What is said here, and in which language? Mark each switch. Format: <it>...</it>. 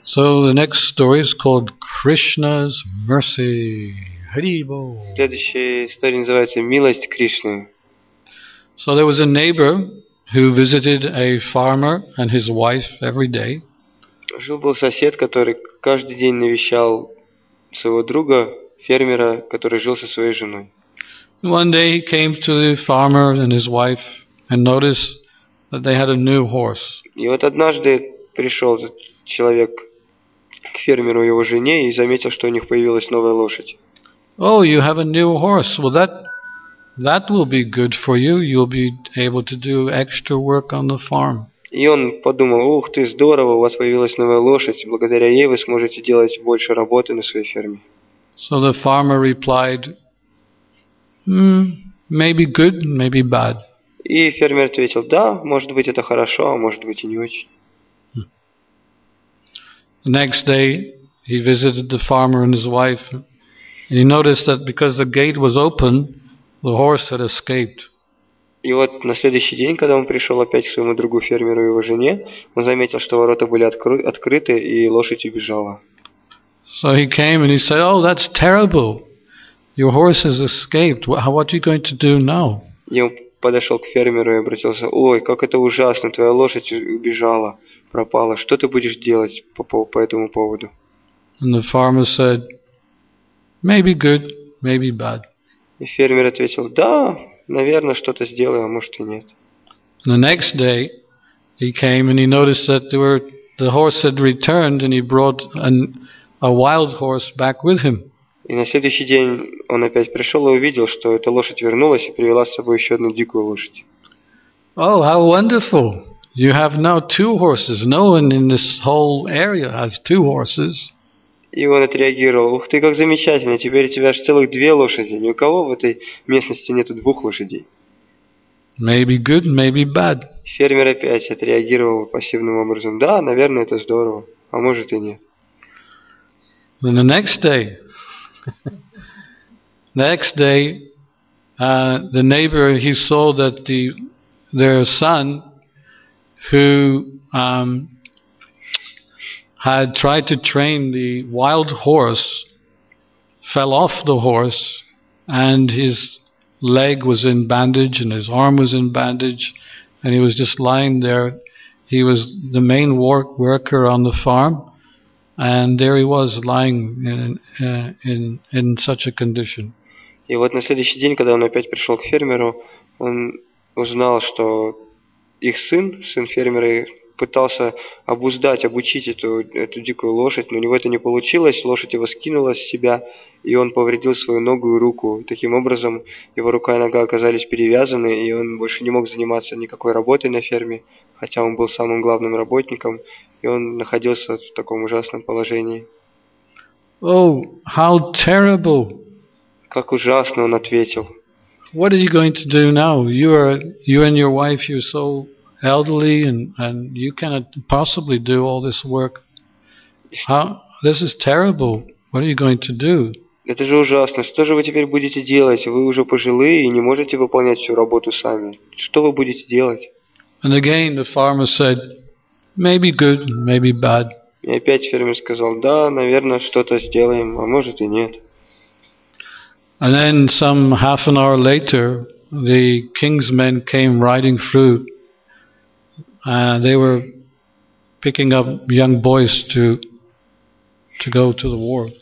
<en>So the next story is called Krishna's Mercy.</en> <ru>Следующая история называется «Милость Кришны».</ru> <en>So there was a neighbor who visited a farmer and his wife every day.</en> <ru>Жил был сосед, который каждый день навещал своего друга, фермера, который жил со своей женой.</ru> <en>One day he came to the farmer and his wife and noticed that they had a new horse.</en> <ru>И вот однажды пришел этот человек к фермеру и его жене и заметил, что у них появилась новая лошадь.</ru> <en>Oh, you have a new horse. Well, that will be good for you. You'll be able to do extra work on the farm.</en> <ru>И он подумал: «Ух ты, здорово, у вас появилась новая лошадь, благодаря ей вы сможете делать больше работы на своей ферме».</ru> <en>So the farmer replied, maybe good, maybe bad.</en> <ru>И фермер ответил: «Да, может быть это хорошо, а может быть и не очень».</ru> <en>The next day he visited the farmer and his wife, and he noticed that because the gate was open, the horse had escaped.</en> <ru>И вот на следующий день, когда он пришел опять к своему другу фермеру и его жене, он заметил, что ворота были открыты, и лошадь убежала.</ru> <en>So he came and he said, "Oh, that's terrible! Your horse has escaped. What are you going to do now?"</en> <ru>И он подошел к фермеру и обратился: "Ой, как это ужасно! Твоя лошадь убежала, пропала. Что ты будешь делать по этому поводу?"</ru> <en>And the farmer said, "Maybe good, maybe bad."</en> <ru>И фермер ответил: "Да, наверное, что-то сделаю, а может и нет."</ru> <en>And the next day he came and he noticed that the horse had returned, and he brought a wild horse back with him.</en> <ru>И на следующий день он опять пришел и увидел, что эта лошадь вернулась и привела с собой еще одну дикую лошадь.</ru> <en>"Oh, how wonderful! You have now two horses. No one in this whole area has two horses."</en> <ru>И он отреагировал: "Ух ты, как замечательно! Теперь у тебя аж целых две лошади. Ни у кого в этой местности нету двух лошадей."</ru> <en>Maybe good, maybe bad.</en> <ru>Фермер опять отреагировал пассивным образом: "Да, наверное, это здорово, а может и нет."</ru> <en>Then the next day, the neighbor, he saw that their son, who had tried to train the wild horse, fell off the horse, and his leg was in bandage, and his arm was in bandage, and he was just lying there. He was the main worker on the farm. And there he was lying in such a condition.</en> <ru>И вот на следующий день, когда он опять пришел к фермеру, он узнал, что их сын фермера, пытался обучить эту дикую лошадь, но у него это не получилось. Лошадь его скинула с себя, и он повредил свою ногу и руку. Таким образом, его рука и нога оказались перевязаны, и он больше не мог заниматься никакой работой на ферме, хотя он был самым главным работником. И он находился в таком ужасном положении.</ru> <en>"Oh, how terrible!"</en> <ru>Как ужасно, он ответил.</ru> <en>"What are you going to do now? You and your wife, you're so elderly, and you cannot possibly do all this work. This is terrible. What are you going to do?"</en> <ru>Это же ужасно. Что же вы теперь будете делать? Вы уже пожилые и не можете выполнять всю работу сами. Что вы будете делать?</ru> <en>And again, the farmer said, "Maybe good, maybe bad."</en> <ru>И опять фермер сказал: "Да, наверное, что-то сделаем, а может и нет."</ru> <en>And then some half an hour later, the king's men came riding through. They were picking up young boys to go to the war.</en>